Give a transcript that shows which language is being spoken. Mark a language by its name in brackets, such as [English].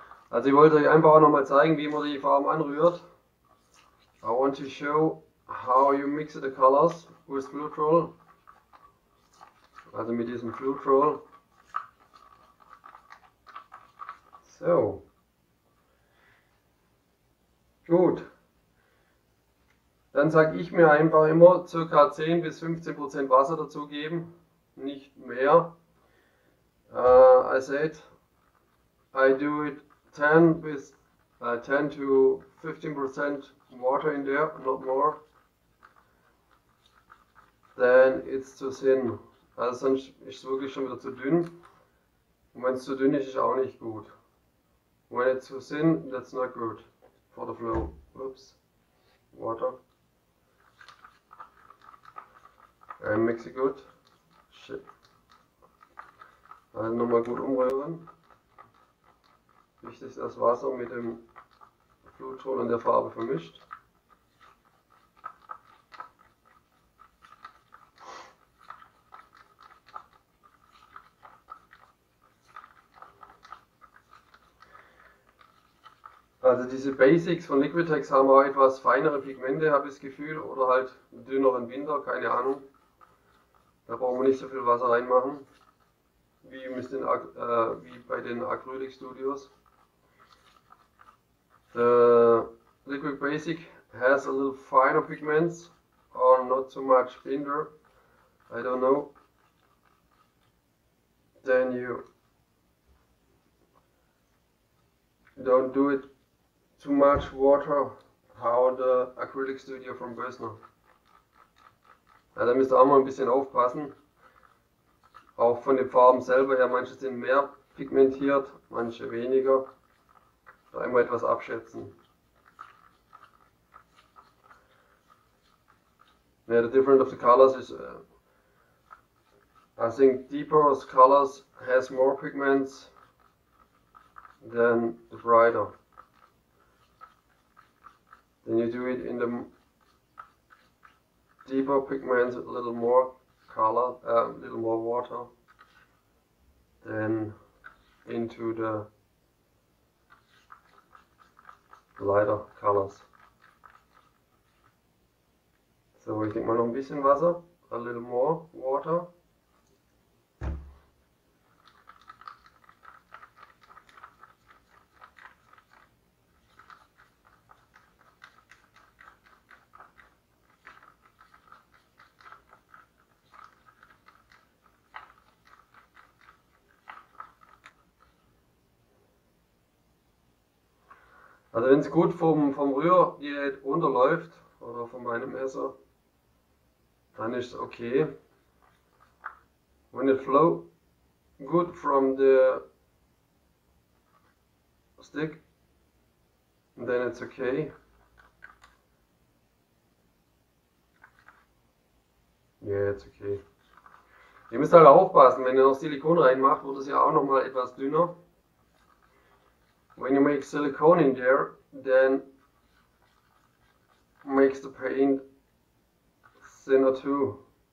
[German] Also ich wollte euch einfach auch nochmal zeigen, wie man die Farben anrührt. [English] I want to show how you mix the colors with Flutrol. [German] Also mit diesem Flutrol. So. Gut. Dann sage ich mir einfach immer ca. 10-15% Wasser dazugeben. Nicht mehr. [English] I said, I do it 10 to 15% water in there, not more, then it's too thin. [German] Also sonst ist es wirklich schon wieder zu dünn. Und wenn es zu dünn ist, ist es auch nicht gut. [English] When it's too thin, that's not good for the flow. Oops, water. And mix it good. Shit. [German] Also nochmal gut umrühren. Wichtig, dass das Wasser mit dem Flutrol und der Farbe vermischt. Also diese Basics von Liquitex haben auch etwas feinere Pigmente, habe ich das Gefühl, oder halt dünneren Binder, keine Ahnung. Da brauchen wir nicht so viel Wasser reinmachen, wie bei den Acrylic Studios. [English] The Liquid Basic has a little finer pigments or not so much binder, I don't know. Then you don't do it too much water, how the Acrylic Studio from Bösner. [German] Ja, da müsst ihr auch mal ein bisschen aufpassen. Auch von den Farben selber her, manche sind mehr pigmentiert, manche weniger. Da einmal etwas abschätzen. [English] Yeah, the difference of the colors is I think deeper colors has more pigments than the brighter. then you do it in the deeper pigments, a little more color, a little more water, then into the lighter colors. [German] So ich denke mal noch ein bisschen Wasser, [English] a little more water. [German] Also wenn es gut vom Rührgerät runterläuft oder von meinem Messer, dann ist es okay. [English] When it flow good from the stick, then it's okay. Yeah, it's okay. [German] Ihr müsst halt aufpassen, wenn ihr noch Silikon reinmacht, wird es ja auch nochmal etwas dünner. [English] When you make silicone in there, then makes the paint thinner too.